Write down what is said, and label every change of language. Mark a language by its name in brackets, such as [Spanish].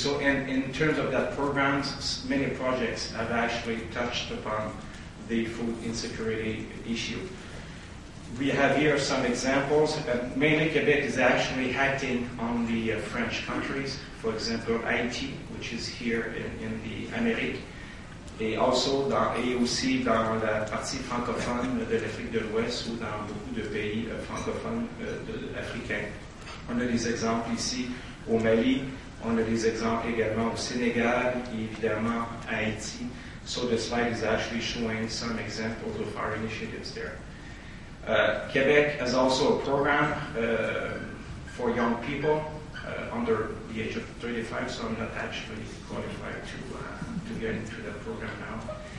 [English] So in terms of that programs, many projects have actually touched upon the food insecurity issue. We have here some examples. Mainly Quebec is actually acting on the French countries. For example, Haiti, which is here in the Amérique. [French] Et also, AOC, dans la partie francophone de l'Afrique de l'Ouest, ou dans beaucoup de pays francophones africains. On a des exemples ici au Mali. On a des exemples également au Sénégal, et évidemment à Haïti. [English] So the slide is actually showing some examples of our initiatives there. Quebec has also a program for young people under the age of 35, so I'm not actually qualified to get into that program now.